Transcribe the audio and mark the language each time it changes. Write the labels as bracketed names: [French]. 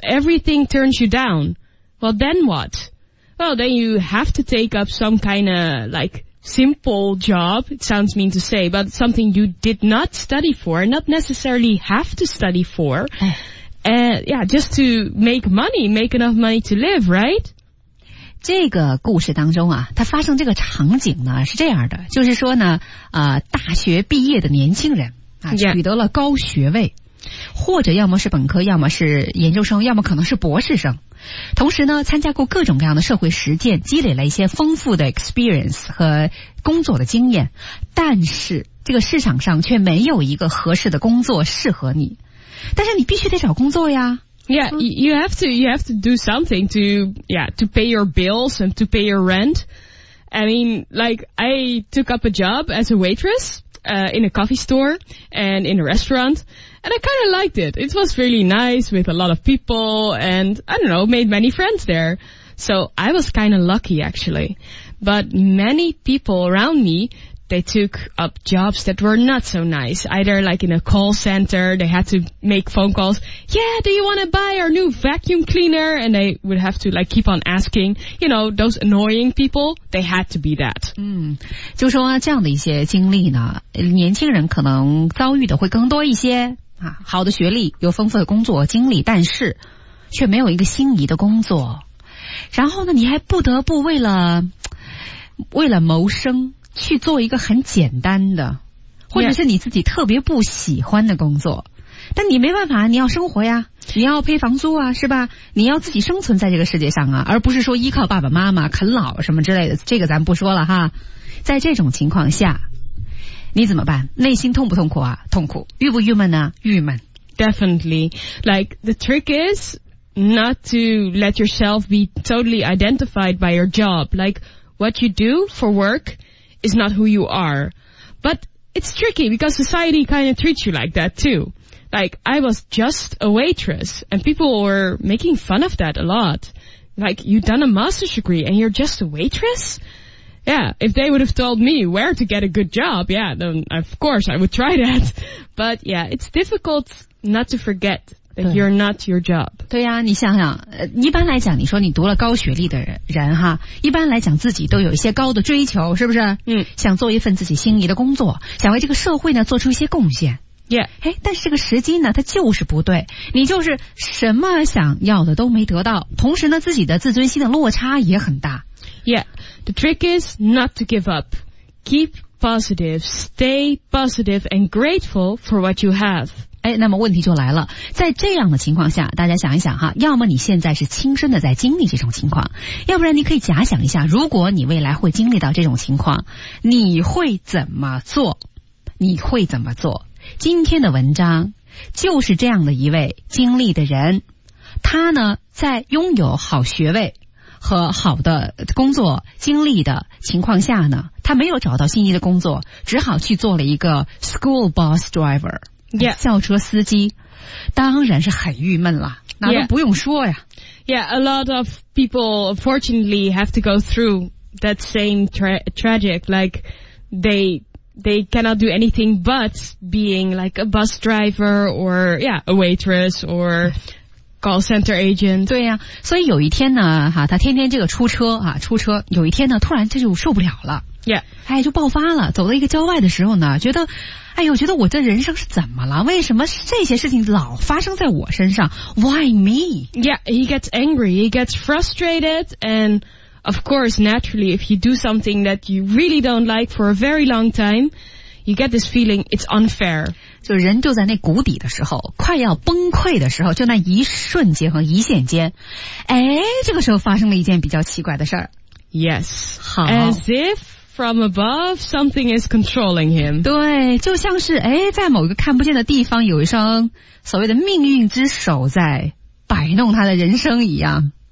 [English] Everything turns you down. Well, then what? Well, then you have to take up some kind of, like, simple job. It sounds mean to say, but something you did not study for, not necessarily have to study for. just to make money, make enough money to live, right? [Chinese] 这个故事当中啊，它发生这个场景呢是这样的，就是说呢大学毕业的年轻人啊、 [English] yeah. [Chinese] 取得了高学位，或者要么是本科，要么是研究生，要么可能是博士生，同时呢参加过各种各样的社会实践，积累了一些丰富的 experience 和工作的经验，但是这个市场上却没有一个合适的工作适合你，但是你必须得找工作呀。 [English] Yeah, you have to do something to pay your bills and to pay your rent. I mean, like, I took up a job as a waitress, in a coffee store and in a restaurant, and I kind of liked it. It was really nice with a lot of people and, I don't know, made many friends there. So I was kind of lucky, actually. But many people around me, they took up jobs that were not so nice. Either like in a call center, they had to make phone calls. Yeah, do you want to buy our new vacuum cleaner? And they would have to like keep on asking, you know, those annoying people, they had to be that. [Chinese] 嗯，就说这样的一些经历呢，年轻人可能遭遇的会更多一些啊，好的学历，有丰富的工作经历，但是却没有一个心仪的工作。然后呢，你还不得不为了谋生去做一个很简单的或者是你自己特别不喜欢的工作、 [English] yeah. [Chinese] 但你没办法，你要生活呀，你要配房租啊，是吧，你要自己生存在这个世界上啊，而不是说依靠爸爸妈妈啃老什么之类的，这个咱不说了哈。在这种情况下你怎么办？内心痛不痛苦啊？痛苦。郁不郁闷呢？郁闷。 [English] Definitely. Like, the trick is not to let yourself be totally identified by your job. Like, what you do for workis not who you are. But it's tricky because society kind of treats you like that too. Like, I was just a waitress and people were making fun of that a lot. Like, you've done a master's degree and you're just a waitress? Yeah, if they would have told me where to get a good job, yeah, then of course I would try that. But yeah, it's difficult not to forget that you're not your job. [Chinese] 对呀、啊，你想想，一般来讲，你说你读了高学历的人哈，一般来讲自己都有一些高的追求，是不是？嗯，想做一份自己心仪的工作，想为这个社会呢做出一些贡献。 [English] Yeah. [Chinese] 哎，但是这个时机呢，它就是不对。你就是什么想要的都没得到，同时呢，自己的自尊心的落差也很大。 [English] Yeah, the trick is not to give up. Keep positive, stay positive and grateful for what you have. [Chinese] 哎，那么问题就来了，在这样的情况下，大家想一想哈，要么你现在是亲身的在经历这种情况，要不然你可以假想一下，如果你未来会经历到这种情况，你会怎么做？你会怎么做？今天的文章就是这样的一位经历的人，他呢在拥有好学位和好的工作经历的情况下呢，他没有找到心仪的工作，只好去做了一个 [English] school bus driver、 yeah. [Chinese] 校车司机，当然是很郁闷了，哪都不用说呀。 [English] Yeah, a lot of people fortunately have to go through that same tragic, like they cannot do anything but being like a bus driver or yeah, a waitress or call center agent. [Chinese] 对呀、啊、所以有一天呢哈、啊、他天天这个出车啊出车，有一天呢突然这就受不了了。 [English] Yeah. [Chinese] 哎就爆发了，走到一个郊外的时候呢，觉得哎呦，觉得我这人生是怎么了，为什么这些事情老发生在我身上 ? [English] Why me? Yeah, he gets angry, he gets frustrated andOf course, naturally, if you do something that you really don't like for a very long time, you get this feeling it's unfair. [Chinese] 就人就在那谷底的时候，快要崩溃的时候，就那一瞬间和一线间，哎，这个时候发生了一件比较奇怪的事儿。 [English] Yes. [Chinese] 好。 [English] As if from above, something is controlling him. [Chinese] 对，就像是哎，在某个看不见的地方，有一双所谓的命运之手在摆弄他的人生一样。